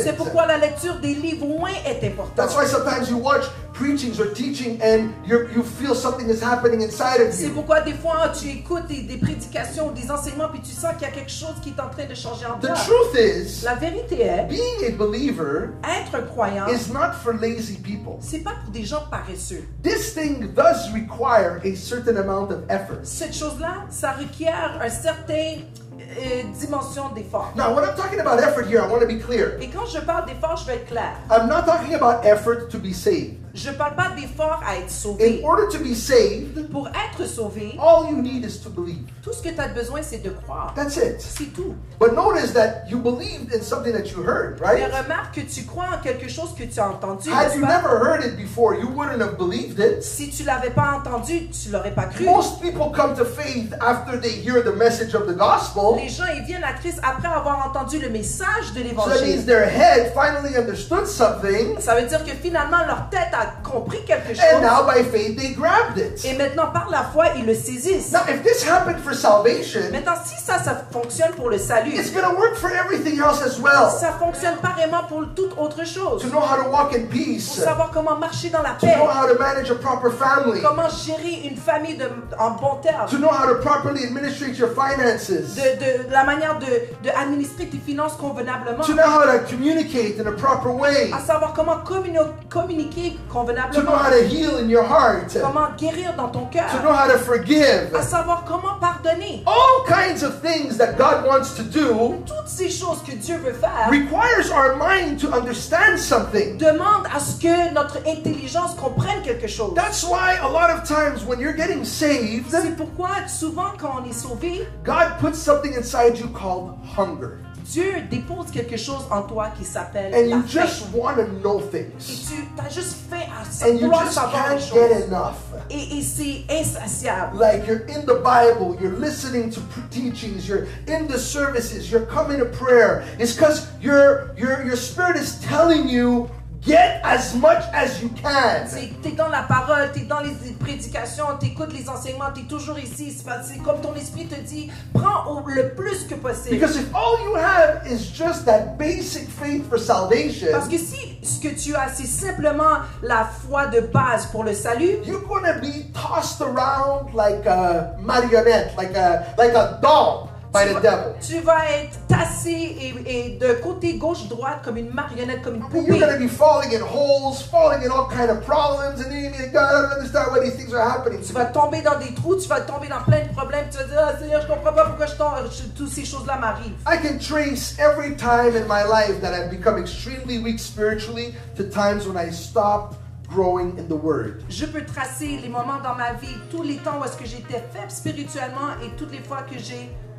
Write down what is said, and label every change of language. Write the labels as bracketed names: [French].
[French] C'est pourquoi la lecture des livres oints est importante. [English] That's why sometimes you watch preachings or teaching and you feel something is happening inside of you. [French] C'est pourquoi des fois tu écoutes des prédications ou des enseignements puis tu sens qu'il y a quelque chose qui est en train de changer en toi. [English] The truth is, [French] la vérité est, [English] being a believer, [French] être croyant, [English] is not for lazy people. [French] C'est pas pour des gens paresseux. [English] This thing does require a certain amount of effort. [French] Cette chose-là, ça requiert un certain dimension d'effort. [English] Now, when I'm talking about effort here, I want to be clear. [French] Et quand je parle d'effort, je veux être clair. [English] I'm not talking about effort to be saved. [French] Je parle pas d'effort à être sauvé. [English] In order to be saved, [French] pour être sauvé, [English] all you need is to believe. [French] Tout ce que tu as besoin, c'est de croire. [English] That's it. [French] C'est tout. [English] But notice that you believed in something that you heard, right? [French] Mais remarque que tu crois en quelque chose que tu as entendu. [English] Had you never heard it before, you wouldn't have believed it. [French] Si tu l'avais pas entendu, tu l'aurais pas cru. [English] Most people come to faith after they hear the message of the gospel. [French] Les gens ils viennent à Christ après avoir entendu le message de l'évangile. [English] So that means their head finally understood something. [French] Ça veut dire que finalement leur tête a compris quelque chose. [English] And now by faith they grabbed it. [French] Et maintenant par la foi ils le saisissent. [English] Now if this happened for salvation, [French] maintenant si ça fonctionne pour le salut, [English] it's gonna work for everything else as well. [French] Ça fonctionne pareillement pour toute autre chose. [English] To know how to walk in peace. [French] Pour savoir comment marcher dans la [English] to [French] paix. [English] To know how to manage a proper family. [French] Comment gérer une famille en bon terme. [English] To know how to properly administrate your finances. [French] De la manière de administrer tes finances convenablement. [English] To know how to communicate in a proper way. [French] À savoir comment communiquer. [English] To know how to heal in your heart. [French] Comment guérir dans ton cœur. [English] To know how to forgive. [French] À savoir comment pardonner. [English] All kinds of things that God wants to do. [French] Toutes ces choses que Dieu veut faire. [English] Requires our mind to understand something. [French] Demande à ce que notre intelligence comprenne quelque chose. [English] That's why a lot of times when you're getting saved. [French] C'est pourquoi souvent quand on est sauvé. [English] God puts something inside you called hunger. [French] Dieu dépose quelque chose en toi qui s'appelle [English] and [French] la [English] you [French] faim. [English] Just want to know things. [French] Et tu as juste faim à [English] and you just can't get enough. [French] Et c'est insatiable. [English] Like you're in the Bible, you're listening to teachings, you're in the services, you're coming to prayer. It's because your spirit is telling you, Get as much as you can. [French] T'es dans la parole, t'es dans les prédications, t'écoutes les enseignements, t'es toujours ici. C'est comme ton esprit te dit, prends le plus que possible. [English] Because if all you have is just that basic faith for salvation. [French] Parce que si ce que tu as, c'est simplement la foi de base pour le salut. [English] You're gonna be tossed around like a marionette, like a doll. [French] Tu vas être tassé et de côté gauche droite comme une marionnette, comme une poupée. [English] You're gonna be falling in holes, falling in all kind of problems, and you're gonna be like, God, I don't understand why these things are happening. [French] Tu vas tomber dans des trous, tu vas tomber dans plein de problèmes. Tu vas dire, oh, Seigneur, je comprends pas pourquoi toutes ces choses-là m'arrivent. [English] I can trace every time in my life that I've become extremely weak spiritually to times when I stopped growing in the word. [French] Je peux tracer les moments dans ma vie, tous les temps où est-ce que j'étais faible spirituellement et toutes les fois que j'ai